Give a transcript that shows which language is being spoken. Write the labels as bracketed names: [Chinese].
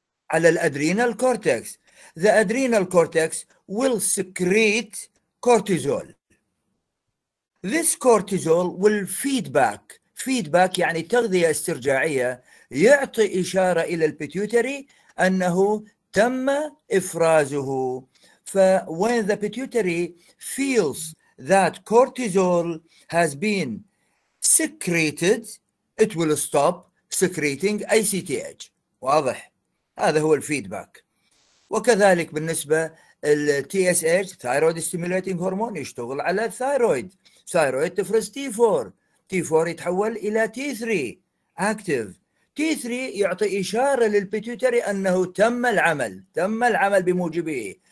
[Arabic] على الادرينال كورتكس. [English] The adrenal cortex will secrete cortisol. This cortisol will feedback [Arabic] يعني تغذية استرجاعية, يعطي إشارة إلى البيتيوتري أنه تم إفرازه. [English] ف when the pituitary feels that cortisol has been secreted, it will stop secreting ACTH. [Arabic] واضح, هذا هو الفيدباك. وكذلك بالنسبة TSH, Thyroid Stimulating Hormone, يشتغل على الثايرويد. ثايرويد تفرز T4, T4 يتحول إلى T3 Active. T3 يعطي إشارة للبيتيوتري أنه تم العمل بموجبه.